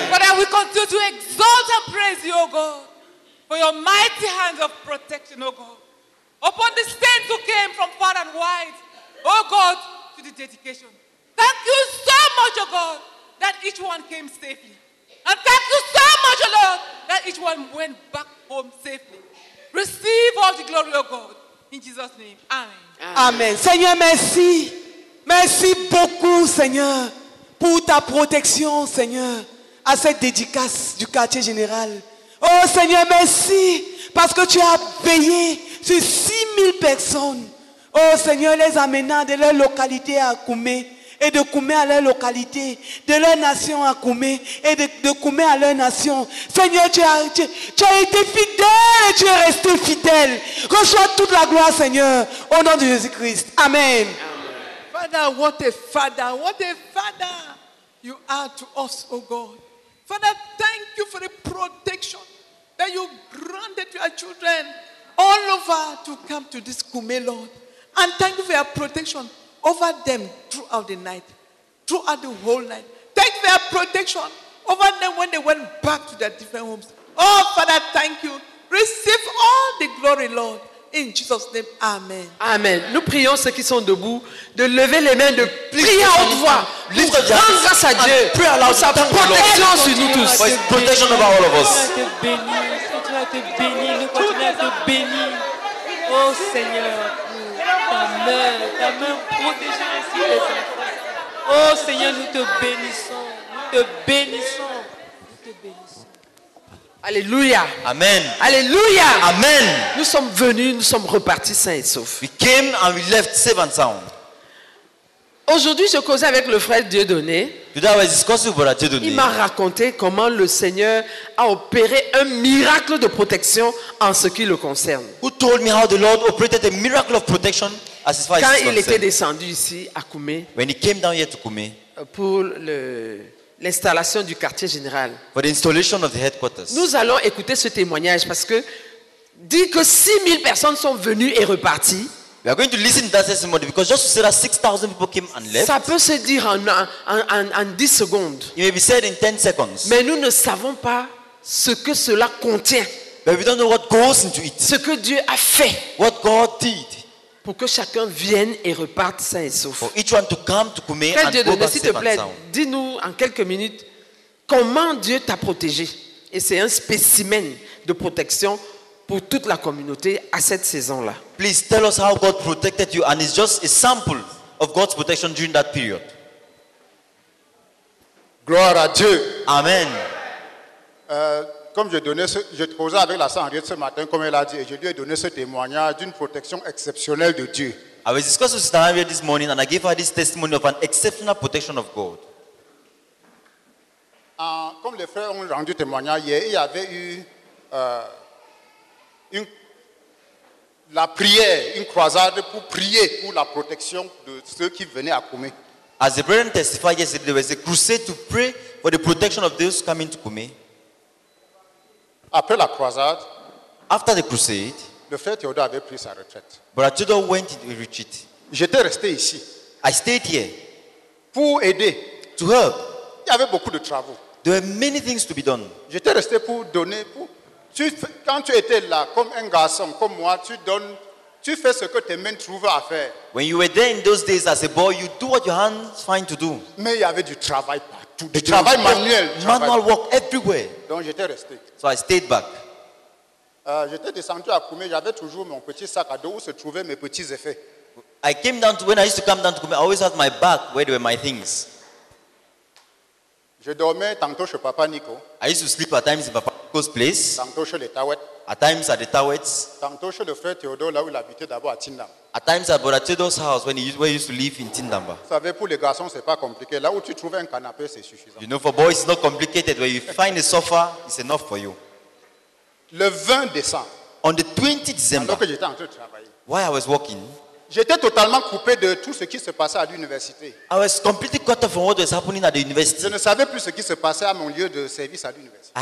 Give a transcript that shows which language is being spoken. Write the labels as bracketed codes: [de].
[en] Father, we continue to exalt and praise you, O God, for your mighty hands of protection, O God, upon the saints who came from far and wide, O God, to the dedication. Thank you so much, O God, that each one came safely. And thank you so much, O Lord, that each one went back home safely. Receive all the glory, O God, in Jesus' name. Amen. [fr] Amen. Amen. Seigneur, merci. Merci beaucoup, Seigneur, pour ta protection, Seigneur, à cette dédicace du quartier général. Oh, Seigneur, merci, parce que tu as veillé sur 6000 personnes. Oh, Seigneur, les amenant de leur localité à Koumé, et de Koumé à leur localité, de leur nation à Koumé, et de Koumé à leur nation. Seigneur, tu as été fidèle et tu es resté fidèle. Reçois toute la gloire, Seigneur, au nom de Jésus-Christ. Amen. [en] Father, what a father, what a father you are to us, oh God. Father, thank you for the protection that you granted your children all over to come to this Koumé, Lord. And thank you for your protection over them throughout the night, throughout the whole night. Thank you for your protection over them when they went back to their different homes. Oh, Father, thank you. Receive all the glory, Lord. In Jesus' name, amen. Amen. [fr] Nous prions ceux qui sont debout de lever les mains, de prier à haute voix. Livre de grâce. Grâce à Dieu pour sa protection sur nous tous. [en] Protection over all of us. [fr] Oh Seigneur, ta main protège ainsi les enfants. Oh Seigneur, nous te bénissons. Alléluia. Amen. Alléluia. Amen. Nous sommes venus, nous sommes repartis sains et saufs. [en] We came and we left safe and sound. [fr] Aujourd'hui, je causais avec le frère Dieudonné. [en] Today I was discussing with brother Dieudonné. [fr] Il m'a raconté comment le Seigneur a opéré un miracle de protection en ce qui le concerne. [en] Who told me how the Lord operated a miracle of protection as far as [fr] quand il était descendu ici à Koumé. [en] When he came down here to Koumé. [fr] Pour l'installation du quartier général. [en] For the installation of the headquarters. [fr] Nous allons écouter ce témoignage parce que dit que 6000 personnes sont venues et reparties. [en] We are going to listen to that testimony because just to say that 6000 people came and left. [fr] Ça peut se dire en 10 secondes. [en] It may be said in 10 seconds. [fr] Mais nous ne savons pas ce que cela contient. [en] But we don't know what goes into it. [fr] Ce que Dieu a fait. [en] What God did. [fr] Pour que chacun vienne et reparte sain et sauf. [en] For each one to come to Koumé and [fr] Dieu [en] go back [fr] s'il te plaît, dis-nous en quelques minutes comment Dieu t'a protégé. Et c'est un spécimen de protection pour toute la communauté à cette saison-là. [en] Please tell us how God protected you and it's just a sample of God's protection during that period. [fr] Gloire à Dieu. Amen. Comme je te posais avec la sœur Henriette ce matin, comme elle a dit, et je lui ai donné ce témoignage d'une protection exceptionnelle de Dieu. [en] I was discussing with Sister Henriette this morning and I gave her this testimony of an exceptional protection of God. [fr] Comme les frères ont rendu témoignage hier, il y avait eu une croisade pour prier pour la protection de ceux qui venaient à Koumé. [en] As the brethren testified yesterday, there was a crusade to pray for the protection of those coming to Koumé. [fr] Après la croisade, [en] after the crusade, [fr] le frère Théodore avait pris sa retraite. [en] Brother Théodore went into a retreat. [fr] J'étais resté ici. [en] I stayed here. [fr] Pour aider. [en] To help. [fr] Il y avait beaucoup de travaux. [en] There were many things to be done. [fr] J'étais resté pour donner. Quand tu étais là, comme un garçon, comme moi, tu donnes, tu fais ce que tes mains trouvent à faire. [en] When you were there in those days as a boy, you do what your hands find to do. [fr] Mais il y avait du travail partout. Du travail manuel [en] everywhere. [fr] Donc j'étais resté. [en] So I stayed back. [fr] J'étais descendu à Koumé. J'avais toujours mon petit sac à dos où se trouvaient mes petits effets. [en] I came down to, when I used to come down to Koumé, I always had my bag where there were my things. [fr] Je dormais tantôt chez Papa Nico. [en] I used to sleep at times in Papa Nico's place. [fr] Tantôt chez les Tawets. [en] At times at the Tawets. [fr] Tantôt chez le frère Théodore là où il habitait d'abord à Tindam. [en] At times at Brother Théodore's house where he used to live in Tindamba. [fr] Vous savez, pour les garçons c'est pas compliqué. Là où tu trouves un canapé c'est suffisant. [en] You know, for boys it's not complicated. Where you find a sofa it's enough for you. [fr] Le 20 décembre. [en] On the 20th December. [fr] Alors que j'étais en train de travailler. [en] While I was working. [fr] J'étais totalement coupé de tout ce qui se passait à l'université. [en] I was completely cut off from what was happening at the university. [fr] Je ne savais plus ce qui se passait à mon lieu de service à l'université.